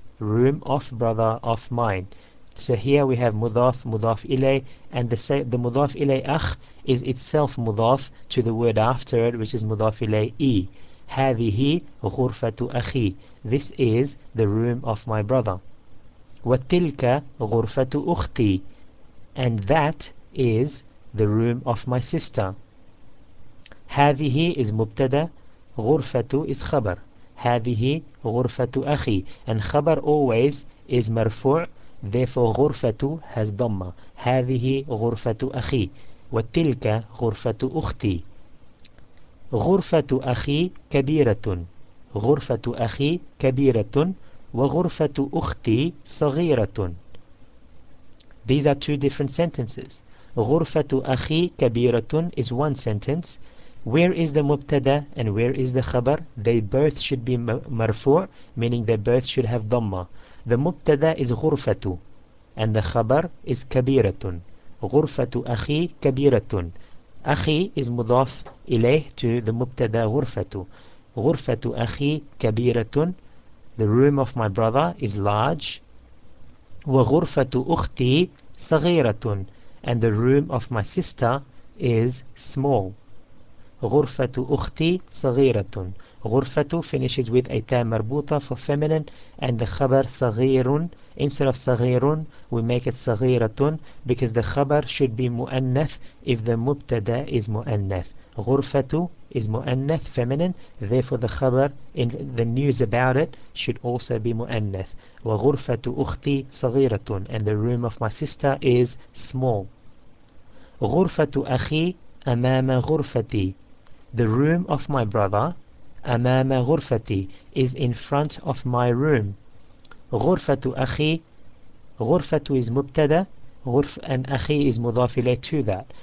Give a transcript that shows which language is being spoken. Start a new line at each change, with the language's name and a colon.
English: Room of brother of mine. So here we have مضاف مضاف إليه, and the مضاف إليه أخ is itself مضاف to the word after it, which is مضاف إليه إي.
Arabic: هذه غرفة أخي.
English: This is the room of my brother.
Arabic: وتلك غرفة أختي.
English: And that is the room of my sister.
Arabic: هذه is مبتدا, غرفة is خبر. هذه غرفة أخي.
English: And خبر always is مرفوع, therefore غرفة has ضمة.
Arabic: هذه غرفة أخي. وتلك غرفة أختي. غرفة أخي كبيرة. غرفة أخي كبيرة. وغرفة أختي صغيرة.
English: These are two different sentences.
Arabic: غرفة أخي كبيرة
English: is one sentence. Where is the مبتدا and where is the خبر? They both should be مرفوع, meaning they both should have ضمة. The مبتدا is غرفة and the خبر is كبيرة.
Arabic: غرفة أخي كبيرة. أخي is مضاف إليه to the مبتدا غرفة. غرفة أخي كبيرة.
English: The room of my brother is large.
Arabic: وغرفة أختي صغيرة,
English: and the room of my sister is small.
Arabic: غرفة أختي صغيرة.
English: غرفة finishes with a ta مربوطة for feminine, and the خبر صغير. Instead of صغير, we make it صغيرة, because the خبر should be مؤنث if the مبتدا is مؤنث. غرفة is مؤنث, feminine, therefore the خبر in the news about it should also be مؤنث.
Arabic: وغرفة أختي صغيرة,
English: and the room of my sister is small.
Arabic: غرفة أخي أمام غرفتي.
English: The room of my brother,
Arabic: أمام غرفتي,
English: is in front of my room.
Arabic: غرفة أخي, غرفة is مبتدا, غرف and أخي is مضاف إليه to that.